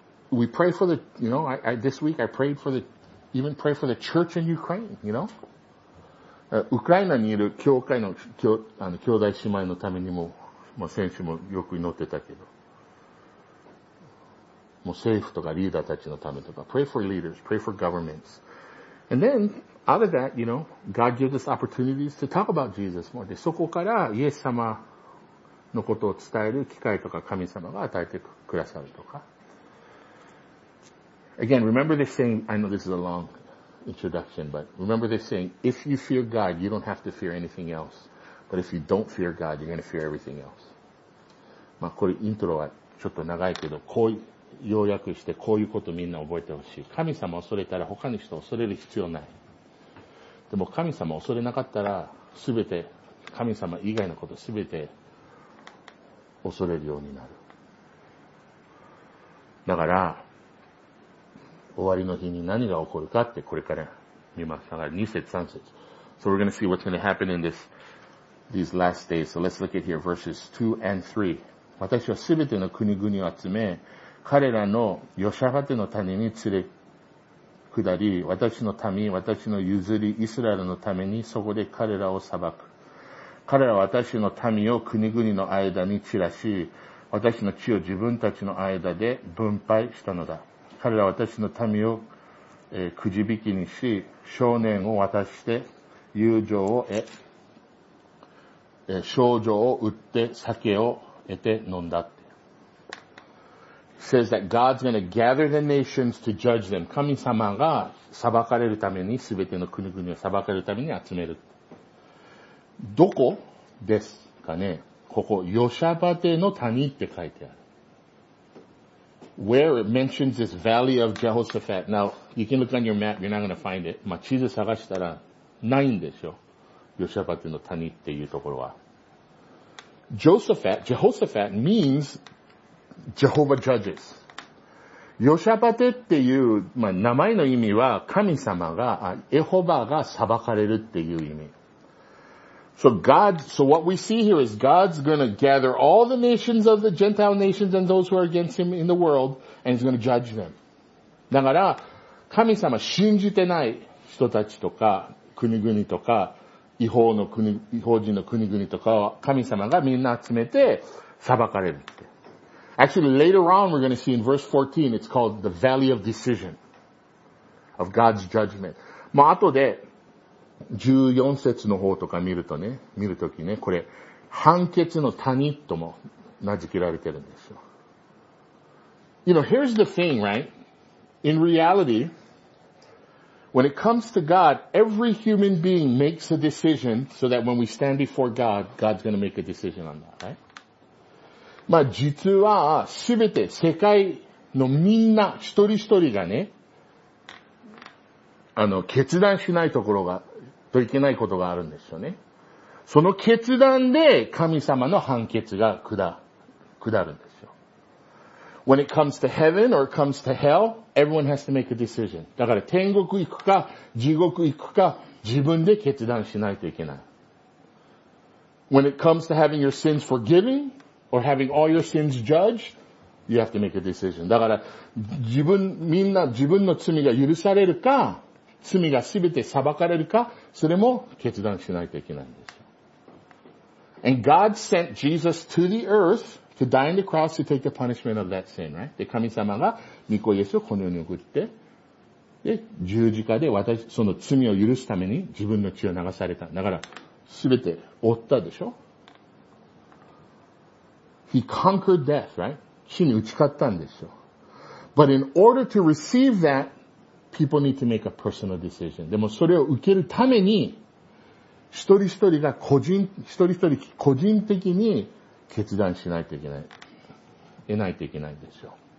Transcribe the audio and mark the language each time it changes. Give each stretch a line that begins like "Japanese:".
English: We pray for the, you know, I prayed for the church in Ukraine, you know?
Japanese: ウクライナにいる教会の、兄弟姉妹のためにも、まあ、選手もよく祈ってたけど。もう政府とかリーダーたちのためとか。
English: Pray for leaders, pray for governments. And then, out of that, you know, God gives us opportunities to talk about Jesus more.
Japanese: で、そこから、イエス様のことを伝える機会とか、神様が与えてくださるとか。
English: Again, remember this saying, I know this is a long introduction, but remember this saying, if you fear God, you don't have to fear anything else. But if you don't fear God, you're going to fear everything else.
Japanese: まあこれイントロはちょっと長いけど、こう要約してこういうことみんな覚えてほしい。神様を恐れたら他の人を恐れる必要ない。でも神様を恐れなかったら、すべて、神様以外のことすべて恐れるようになる。だから、終わりの日に何が起こるかってこれから見ます。だから2節3節。
English: So we're going to see what's going to happen in these last days. So let's look at here verses 2 and 3.
Japanese: 私はすべての国々を集め、彼らのヨシャファテの谷に連れ下り、私の民、私の譲りイスラエルのためにそこで彼らを裁く。彼らは私の民を国々の間に散らし、私の地を自分たちの間で分配したのだ。彼らは私の民を、くじ引きにし、少年を渡して、友情を得、少女を売って酒を得て飲んだって。
English: He says that God's going to gather the nations to judge them.
Japanese: 神様が裁かれるために、すべての国々を裁かれるために集める。どこですかね？ここ、ヨシャバテの谷って書いてある。
English: Where it mentions this Valley of Jehoshaphat. Now, you can look on your map, you're not going to find it.
Japanese: ま、地図探したらないんでしょ。ヨシャバテの谷っていうところは。
English: Jehoshaphat means Jehovah judges.
Japanese: ヨシャバテっていう、まあ、名前の意味は神様が、エホバが裁かれるっていう意味。
English: So what we see here is God's going to gather all the nations of the Gentile nations and those who are against him in the world, and he's going to judge them.
Japanese: だから、神様信じてない人たちとか、国々とか、違法人の国々とかを神様がみんな集めて裁かれるって。
English: Actually, later on we're going to see in verse 14, it's called the Valley of Decision, of God's Judgment.
Japanese: まあ後で、14節の方とか見るとね、見るときね、これ、判決の谷とも名付けられてるんですよ。
English: You know, here's the thing, right? In reality, when it comes to God, every human being makes a decision so that when we stand before God, God's going to make a decision on that, right?
Japanese: まあ実は、すべて世界のみんな、一人一人がね、決断しないところが、といけないことがあるんですよね。その決断で神様の判決が下るんですよ。
English: When it comes to heaven or it comes to hell, everyone has to make a decision.
Japanese: だから天国行くか地獄行くか自分で決断しないといけない。
English: When it comes to having your sins forgiven or having all your sins judged, you have to make a decision.
Japanese: だから自分の罪が許されるか、罪がすべて裁かれるか、それも決断しないといけないんですよ。
English: And God sent Jesus to the earth to die on the cross to take the punishment of that sin, right?
Japanese: で、神様が御子イエスをこの世に送って、で、十字架で私、その罪を許すために自分の血を流された。だから、すべて負ったでしょ。
English: He conquered death, right?
Japanese: 死に打ち勝ったんですよ。
English: But in order to receive that, people need to make a personal decision.
Japanese: でもそれを受けるために、一人一人が個人、一人一人個人的に決断しないといけない。得ないといけないんですよ。